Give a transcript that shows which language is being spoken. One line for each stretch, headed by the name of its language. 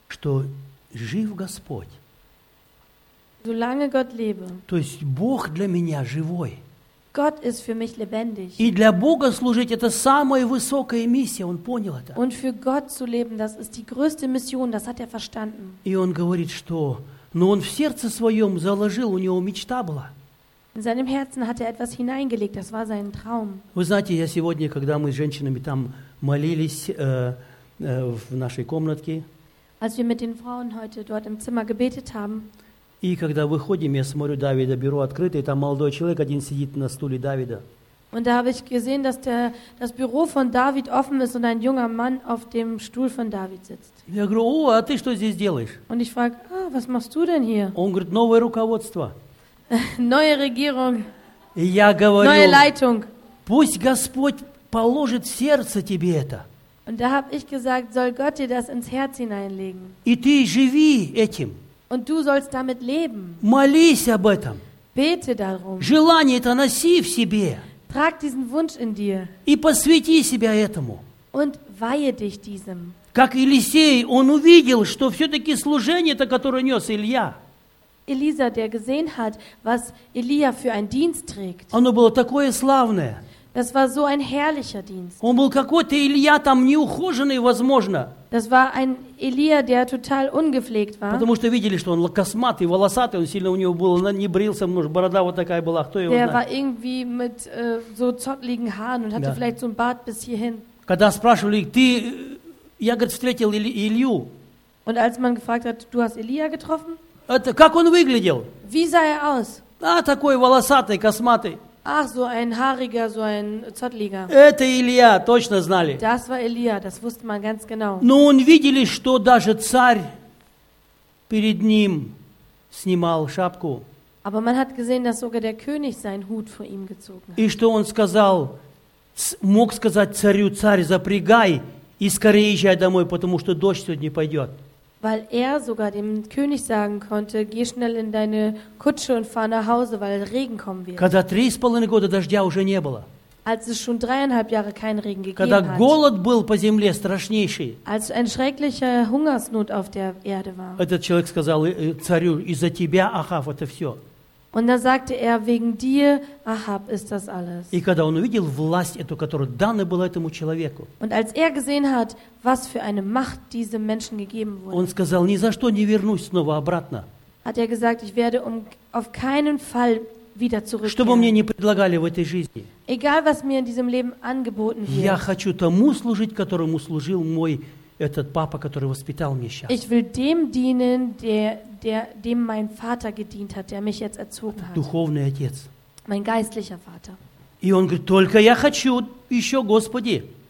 Russian: что жив Господь.
German: Solange Gott lebe,
Russian: то есть Бог для меня живой.
German: Gott ist für mich lebendig.
Russian: И для Бога служить это самая высокая миссия, он понял это.
German: Und für Gott zu leben, das ist die größte Mission, das hat er verstanden.
Russian: И он говорит, что но он в сердце своём заложил, у него мечта была.
German: In seinem Herzen hat er etwas hineingelegt, das war sein Traum.
Russian: Вы знаете, я сегодня, когда мы с женщинами там молились в нашей комнатке,
German: als wir mit den Frauen heute dort im Zimmer gebetet haben,
Russian: и когда выходим, я смотрю, Давида бюро открыто, и там молодой человек один сидит на стуле Давида.
German: Und da habe ich gesehen, dass der, das Büro von David offen ist und ein junger Mann auf dem Stuhl von David sitzt.
Russian: Я говорю, о, а ты что здесь делаешь?
German: Und ich frage, ah, was machst du denn hier?
Russian: Он говорит, новое руководство.
German: Neue Regierung.
Russian: И я говорю,
German: neue Leitung.
Russian: Пусть Господь положит в сердце тебе это.
German: Und da habe ich gesagt, soll Gott dir das ins Herz hineinlegen.
Russian: И ты живи этим.
German: Und du sollst damit leben.
Russian: Молись об этом.
German: Bete darum.
Russian: Желание это носи в себе.
German: Trag diesen Wunsch in dir.
Russian: И посвяти себя этому.
German: Und weihe dich diesem.
Russian: Как Елисей, он увидел, что все-таки служение это, которое нес Илья.
German: Elisa, der gesehen hat, was Elia für einen Dienst trägt.
Russian: Оно было такое славное.
German: Das war so ein herrlicher Dienst.
Russian: Он был какой-то Илья там неухоженный, возможно.
German: Das war ein Илия, der total ungepflegt war.
Russian: Потому что видели, что он косматый, волосатый, он сильно у него был, он не брился, может, борода вот такая была, кто его знает.
German: Der war irgendwie mit so zottligen Haaren und hatte ja. vielleicht so ein Bart bis hierhin.
Russian: Когда спрашивали, ты, я, говорит, встретил Илью.
German: Und als man gefragt hat, du hast Илия getroffen?
Russian: Это, как он выглядел?
German: Wie sah er aus?
Russian: А, такой волосатый, косматый.
German: Ach, so ein haariger, so ein zottliger.
Russian: Это Илья, точно знали.
German: Das war Илия, das wusste man ganz genau.
Russian: Но он видели, что даже царь перед ним снимал шапку.
German: Aber man hat gesehen, dass sogar der König seinen Hut vor ihm gezogen hat.
Russian: И что он сказал, мог сказать царю, царь, запрягай и скорее езжай домой, потому что дождь сегодня пойдет.
German: Weil er sogar dem König sagen konnte, geh schnell in deine Kutsche und fahr nach Hause, weil Regen kommen wird.
Russian: Когда 3,5 года дождя уже не было.
German: Als es schon 3,5 Jahre keinen Regen gegeben
Russian: Когда
German: hat.
Russian: Когда голод был по земле страшнейший.
German: Als ein schrecklicher Hungersnot auf der Erde war.
Russian: Этот человек сказал царю, из-за тебя, Ахав, это все.
German: Und dann sagte er, wegen dir, Ахав, ist das alles.
Russian: И когда он увидел власть эту, которая дана была этому человеку.
German: Und als er gesehen hat, was für eine Macht diesem Menschen gegeben wurde.
Russian: Он сказал, ни за что не вернусь снова обратно.
German: Hat er gesagt, ich werde auf keinen Fall wieder zurückkehren.
Russian: Чтобы мне не предлагали в этой жизни.
German: Egal, was mir in diesem Leben angeboten wird.
Russian: Я хочу тому служить, которому служил мой этот папа, который воспитал меня сейчас.
German: Ich will dem dienen, dem mein Vater gedient hat, der mich jetzt erzogen hat.
Russian: Духовный отец.
German: Mein geistlicher Vater.
Russian: И он говорит, только я хочу еще, Господи.